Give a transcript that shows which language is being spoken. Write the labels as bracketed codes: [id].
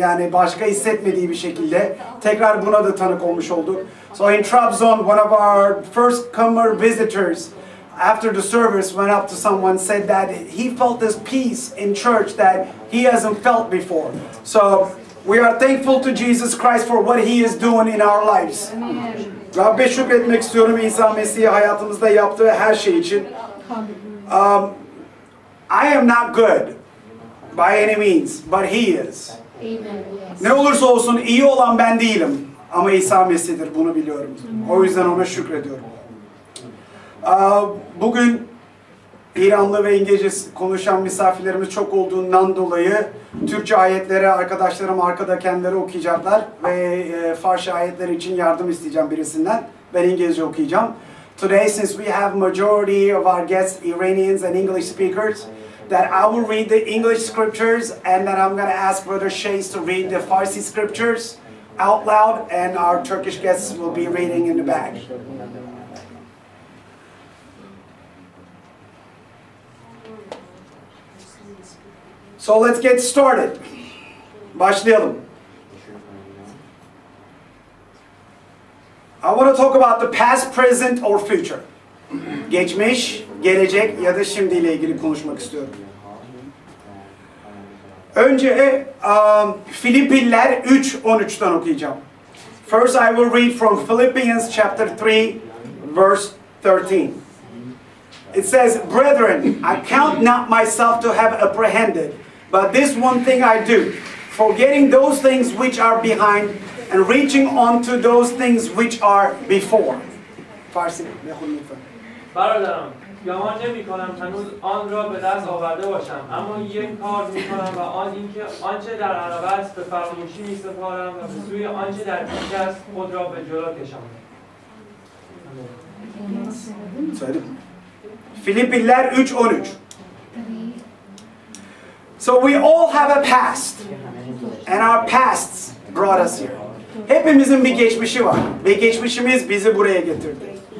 [tr] Yani başka hissetmediği bir şekilde tekrar buna da tanık olmuş olduk. [en] So in Trabzon, one of our first comer visitors, after the service, went up to someone, said that he felt this peace in church that he hasn't felt before. So we are thankful to Jesus Christ for what he is doing in our lives. [tr] Rabbe şükretmek istiyorum İsa Mesih'i hayatımızda yaptığı her şey için. [en] I am not good by any means, but he is. [tr] Ne olursa olsun iyi olan ben değilim. Ama İsa Mesih'dir, bunu biliyorum. O yüzden ona şükrediyorum. Bugün İranlı ve İngilizce konuşan misafirlerimiz çok olduğundan dolayı Türkçe ayetleri arkadaşlarım arkada kendileri okuyacaklar. Ve Farsça ayetleri için yardım isteyeceğim birisinden. Ben İngilizce okuyacağım. [en] Today, since we have majority of our guests, Iranians and English speakers, that I will read the English scriptures and then I'm going to ask Brother Shays to read the Farsi scriptures out loud, and our Turkish guests will be reading in the back. So let's get started. [tr] Başlayalım. [en] I want to talk about the past, present, or future. [tr] Geçmiş, gelecek ya da şimdiyle ilgili konuşmak istiyorum. Önce Filipililer 3:13'tan okuyacağım. [en] First I will read from Philippians chapter 3 verse 13. It says, "Brethren, I count not myself to have apprehended, but this one thing I do, forgetting those things which are behind and reaching on to those things which are before." Farsi [fa] بخونید. برادران یامان نمی کنم هنوز آن را به دست آورده باشم، اما یک کار می کنم و آن این که آنچه در عقب است به فراموشی می سپارم و به سوی آنچه در پیش است خود را به جلو کشانم. فیلیپیلر 3:13. [en] So we all have a past and our pasts brought us here. [tr] Hepimizin bir geçmişi var ve geçmişimiz bizi buraya getirdi.